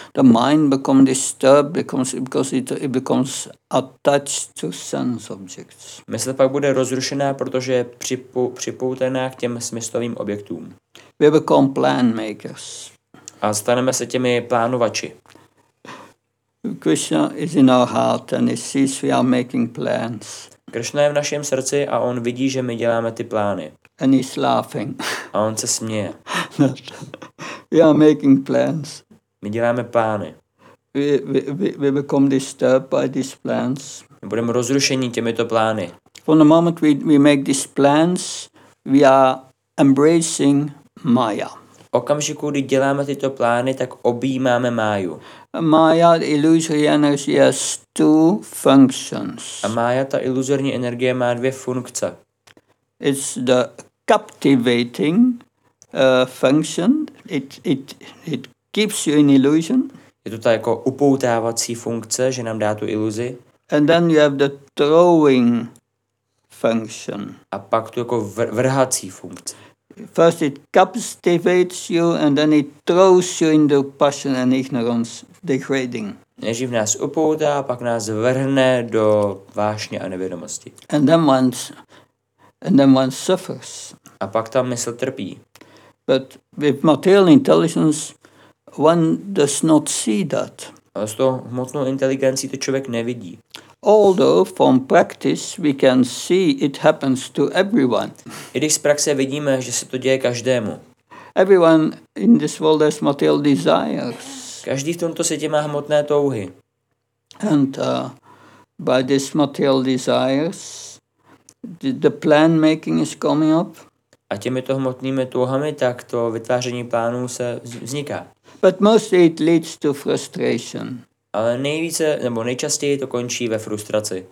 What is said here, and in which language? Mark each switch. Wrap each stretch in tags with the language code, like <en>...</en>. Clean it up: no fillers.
<en>The mind becomes disturbed because it becomes attached to sense objects.</en> <cs>Mysl pak bude rozrušená, protože je připoutaná k těm smyslovým objektům.</cs> <en>We become plan makers.</en> <cs>A staneme se těmi plánovači.</cs> <en>Krishna is in our heart and he sees we are making plans.</en> <cs>Krishna je v našem srdci a on vidí, že my děláme ty plány.</cs> <en>And he's laughing.</en> <cs>A on se směje.</cs> <en>We are making plans.</en> <cs>My děláme plány.</cs> <en>We become disturbed by these plans.</en> <cs>My budeme rozrušení těmito plány.</cs> <en>From the moment we make these plans, we are embracing Maya.</en> <cs>Okamžiku, kdy děláme tyto plány, tak objímáme Máju.</cs> <en>Maya, illusory energy, has two functions.</en> <cs>A Maya, ta iluzorní energie, má dvě funkce.</cs> <en>It's the captivating function. It keeps you in illusion.</en> <cs>Je to ta jako upoutávací funkce, že nám dá tu iluzi.</cs> <en>And then you have the throwing function.</en> <cs>A pak tu jako vrhací funkce.</cs> <en>First it captivates you and then it throws you into passion and ignorance degrading.</en> <cs>Nejdřív nás upoutá, pak nás vrhne do vášně a nevědomosti.</cs> <en>And then one suffers.</en> <cs>A pak ta mysl trpí.</cs> <en>But with material intelligence, one does not see that.</en> <cs>A s tou hmotnou inteligencí to člověk nevidí.</cs> <en>Although from practice we can see it happens to everyone.</en> <cs>I když z praxe vidíme, že se to děje každému.</cs> <en>Everyone in this world has material desires.</en> <cs>Každý v tomto světě má hmotné touhy.</cs> <en>And by this material desires, the plan making is coming up.</en> <cs>A těmito hmotnými touhami, tak to vytváření plánů se vzniká.</cs> <en>But mostly it leads to frustration.</en> <cs>Ale nejvíce, nebo nejčastěji to končí ve frustraci.</cs>